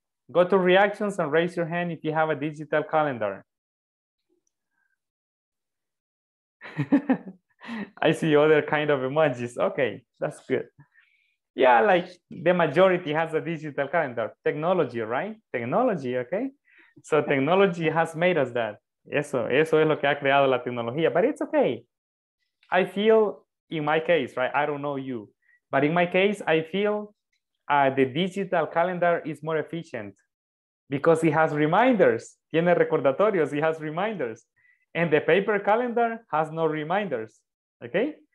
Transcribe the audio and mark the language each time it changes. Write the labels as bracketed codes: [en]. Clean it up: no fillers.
[en] Go to reactions and raise your hand if you have a digital calendar. I see other kind of emojis. Okay, that's good. Yeah, like the majority has a digital calendar. Technology, right? Technology, okay? So technology has made us that. [es] Eso es lo que ha creado la tecnología. [en] But it's okay. I feel, in my case, right? I don't know you. But in my case, I feel the digital calendar is more efficient because it has reminders. [es] Tiene recordatorios, [en] it has reminders. And the paper calendar has no reminders, okay?